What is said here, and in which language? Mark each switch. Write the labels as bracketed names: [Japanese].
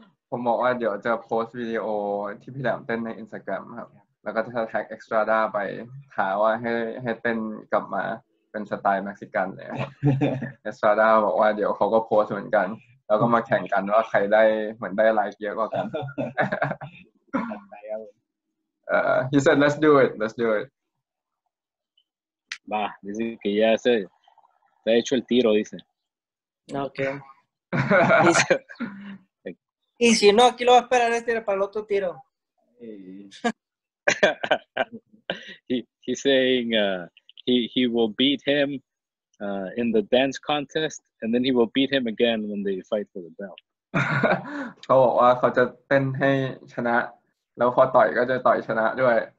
[Thai] ผมบอกว่าเดี๋ยวจะโพสต์วิดีโอที่พี่แหลมเต้นใน Instagram ครับแล้วก็จะแท็ก Estrada ไปถามว่าให้เต้นกลับมาเป็นสไตล์เม็กซิกันเลยเอสตราด้าบอกว่าเดี๋ยวเขาก็โพสเหมือนกันแล้วก็มาแข่งกันว่าใครได้เหมือนได้ไลค์เยอะกว่ากัน [English] he said let's do it [Spanish] va dice que ya se ha hecho el tiro dice okay y si no aquí lo va a esperar para el otro tiro [English] he's saying He will beat him in the dance contest, and then he will beat him again when they fight for the belt. [Thai] เขาบอกว่าเขาจะเต้นให้ชนะแล้วพอต่อยก็จะต่อยชนะด้วย